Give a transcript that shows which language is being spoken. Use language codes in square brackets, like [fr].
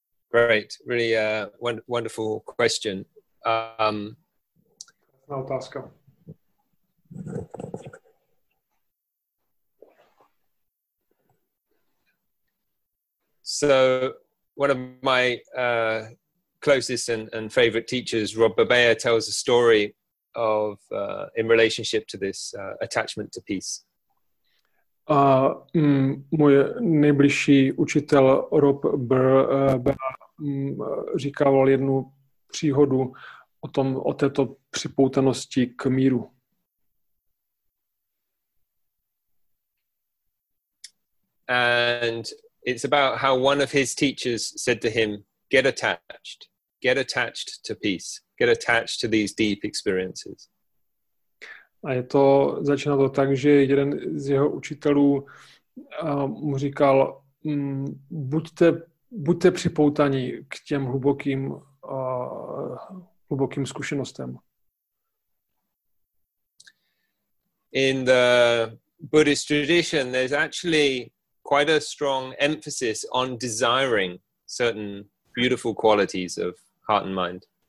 [en] Great, really wonderful question. So one of my closest and favorite teachers, Rob Babaya, tells a story of in relationship to this attachment to peace. [cs] A můj nejbližší učitel Rob Babaya říkával jednu příhodu o tom, o této připoutanosti k míru. [en] And it's about how one of his teachers said to him, get attached to peace, get attached to these deep experiences. [cs] A je to, začíná to tak, že jeden z jeho učitelů mu říkal, buďte připoutaní k těm hlubokým zkušenostem. [en] In the Buddhist tradition, there's actually quite a strong emphasis on desiring certain beautiful qualities of heart and mind.